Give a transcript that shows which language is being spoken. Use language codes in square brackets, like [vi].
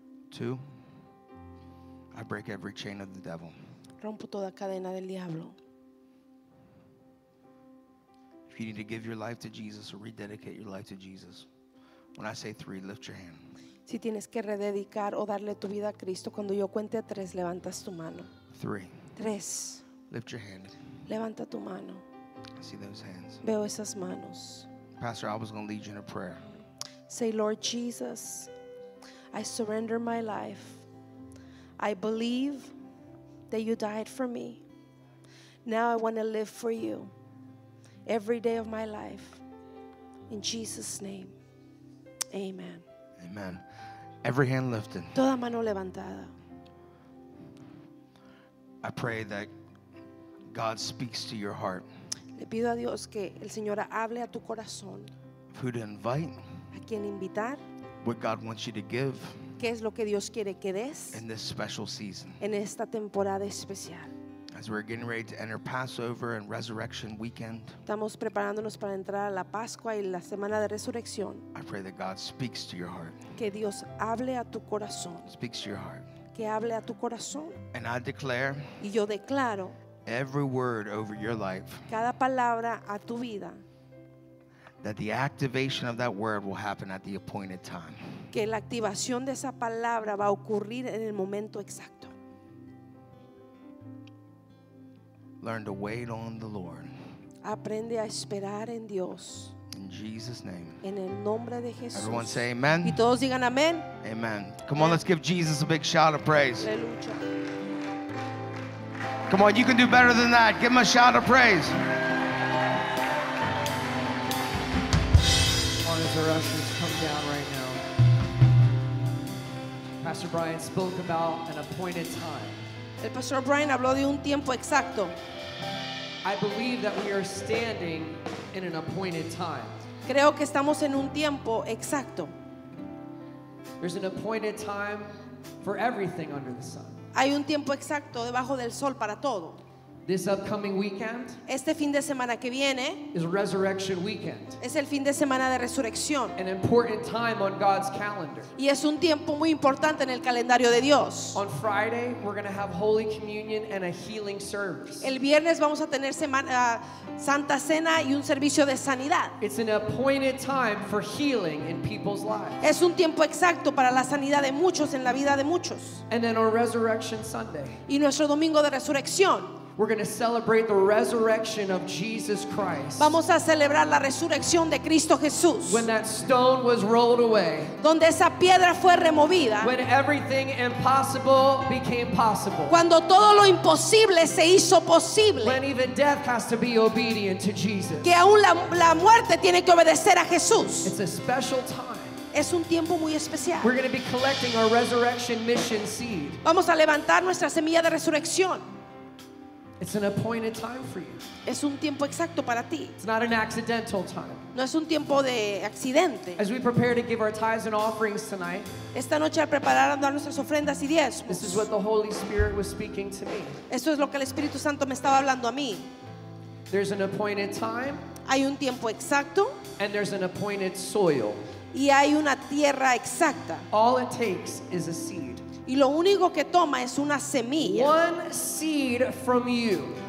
[en] Two, I break every chain of the devil. [es] Rompo toda cadena del diablo. [en] If you need to give your life to Jesus or rededicate your life to Jesus, when I say three, lift your hand. [es] Si tienes que rededicar o darle tu vida a Cristo, cuando yo cuente a tres, levantas tu mano. [en] Three. [es] Tres. [en] Lift your hand. [es] Levanta tu mano. [en] I see those hands. [es] Veo esas manos. [en] Pastor, I was going to lead you in a prayer. Say, Lord Jesus, I surrender my life. I believe that you died for me. Now I want to live for you. Every day of my life, in Jesus' name, amen. Amen. Every hand lifted. [es] Toda mano levantada. [en] I pray that God speaks to your heart. [es] Le pido a Dios que el Señor hable a tu corazón. [en] Who to invite? [es] A quién invitar? [en] What God wants you to give? [es] Qué es lo que Dios quiere que des? [en] In this special season. [es] En esta temporada especial. [en] As we're getting ready to enter Passover and Resurrection weekend, [es] estamos preparándonos para entrar a la Pascua y la Semana de Resurrección. [en] I pray that God speaks to your heart. [es] Que Dios hable a tu corazón. [en] Speaks to your heart. [es] Que hable a tu corazón. [en] And I declare. [es] Y yo declaro. [en] Every word over your life. [es] Cada palabra a tu vida. [en] That the activation of that word will happen at the appointed time. [es] Que la activación de esa palabra va a ocurrir en el momento exacto. [en] Learn to wait on the Lord. [es] Aprende a esperar en Dios. [en] In Jesus' name. [es] En el nombre de Jesús. [en] Everyone say amen. [es] Y todos digan amén. [en] Amen. Come on, let's give Jesus a big shout of praise. [es] Aleluya. [en] Come on, you can do better than that. Give him a shout of praise. Come on, as the ushers come down right now. Pastor Brian spoke about an appointed time. [es] El Pastor Brian habló de un tiempo exacto. [en] I believe that we are standing in an appointed time. [es] Creo que estamos en un tiempo exacto. [en] There's an appointed time for everything under the sun. [es] Hay un tiempo exacto debajo del sol para todo. [en] This upcoming weekend, [es] este fin de semana que viene, [en] is Resurrection Weekend. [es] Es el fin de semana de resurrección. [en] An important time on God's calendar. [es] Y es un tiempo muy importante en el calendario de Dios. [en] On Friday, we're going to have Holy Communion and a healing service. [es] El viernes vamos a tener Santa Cena y un servicio de sanidad. [en] It's an appointed time for healing in people's lives. [es] Es un tiempo exacto para la sanidad de muchos en la vida de muchos. [en] And then on Resurrection Sunday. [es] Y nuestro domingo de resurrección. [en] We're going to celebrate the resurrection of Jesus Christ. [es] Vamos a celebrar la resurrección de Cristo Jesús. [en] When that stone was rolled away. [es] Donde esa piedra fue removida. [en] When everything impossible became possible. [es] Cuando todo lo imposible se hizo posible. [en] When even death has to be obedient to Jesus. [es] Que aún la muerte tiene que obedecer a Jesús. [en] It's a special time. [es] Es un tiempo muy especial. [en] We're going to be collecting our resurrection mission seed. [es] Vamos a levantar nuestra semilla de resurrección. [en] It's an appointed time for you. [es] Es un tiempo exacto para ti. [en] It's not an accidental time. [es] No es un tiempo de accidente. [en] As we prepare to give our tithes and offerings tonight, [es] esta noche al preparar a dar nuestras ofrendas y diezmos, [en] this is what the Holy Spirit was speaking to me. [es] Esto es lo que el Espíritu Santo me estaba hablando a mí. [en] There's an appointed time. [es] Hay un tiempo exacto. [en] And there's an appointed soil. [es] Y hay una tierra exacta. [en] All it takes is a seed. [es] Y lo único que toma es una semilla. [en] One seed from you.